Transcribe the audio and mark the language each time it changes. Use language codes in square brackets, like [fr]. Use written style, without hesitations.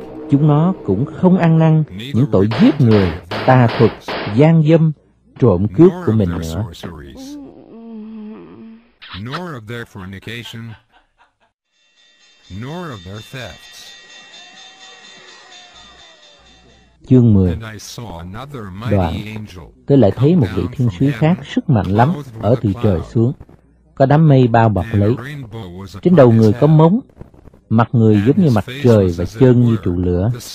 [vi] Chúng nó cũng không ăn năn những tội giết người, tà thuật, gian dâm, trộm cướp của mình nữa. [en] Nor of their fornication, nor of their thefts. [vi] Chương 10. Đoạn, tôi lại thấy một vị thiên sứ khác sức mạnh lắm ở từ trời xuống, có đám mây bao bọc lấy. Trên đầu người có móng, mặt người giống như mặt trời và chân như trụ lửa.